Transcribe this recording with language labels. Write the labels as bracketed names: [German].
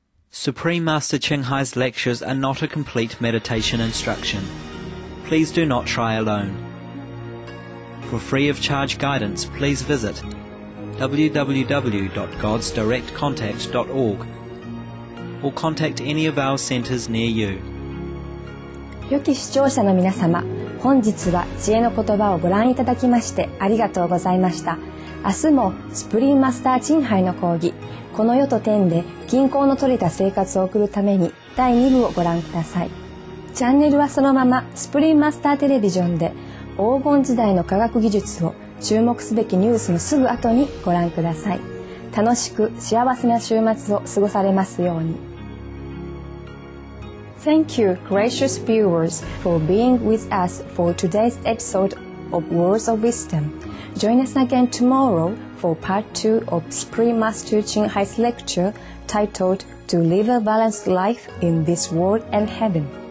[English] Supreme Master Ching Hai's lectures are not a complete meditation instruction. Please do not try alone. For free of charge guidance, please visit www.godsdirectcontact.org or contact any of our centers near you. [Japanese] 良き視聴者の皆様、本日は知恵の言葉をご覧いただきましてありがとうございました。明日もスプリーマスターチンハイの講義、この世と天で均衡の取れた生活を送るために第2部をご覧ください。チャンネルはそのままスプリーマスターテレビジョンで、黄金時代の科学技術を注目すべきニュースのすぐ後にご覧ください。楽しく幸せな週末を過ごされますように。 [English] Thank you gracious viewers for being with us for today's episode of Words of Wisdom. Join us again tomorrow for part 2 of Supreme Master Ching Hai's lecture titled To Live a Balanced Life in This World and Heaven.